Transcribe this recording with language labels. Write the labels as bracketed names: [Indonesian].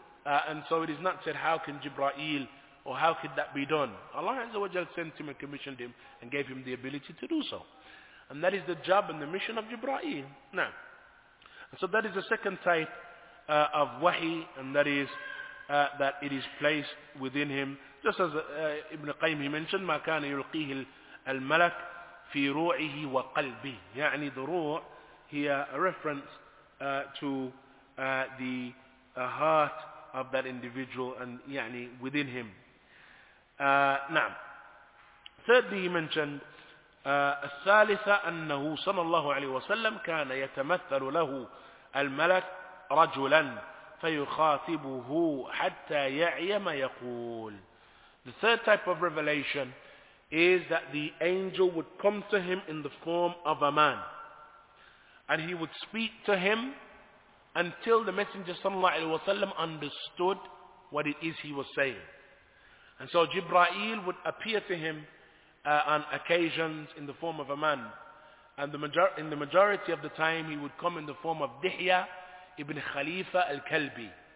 [English] And so it is not said, how can Jibra'il, or how could that be done? Allah Azza wa Jalla sent him and commissioned him and gave him the ability to do so. And that is the job and the mission of Jibra'il. Now, so that is the second type of wahi, and that is that it is placed within him. Just as Ibn Qayyim, he mentioned, [Arabic] مَا كَانَ يُلْقِيهِ الْمَلَكِ في روعه وقلبه. [English] يعني the ruh here a reference to the heart of that individual and يعني within him. [Arabic] نعم. [English] Thirdly, he mentioned [Arabic] الثالثة أنه صلى الله عليه وسلم كان يتمثل له الملك رجلا فيخاطبه حتى يعي ما يقول. [English] The third type of revelation is that the angel would come to him in the form of a man, and he would speak to him until the Messenger sallallahu alaihi wasallam understood what it is he was saying. And so Jibra'il would appear to him on occasions in the form of a man, and in the majority of the time he would come in the form of Dihya ibn Khalifa al-Kalbi.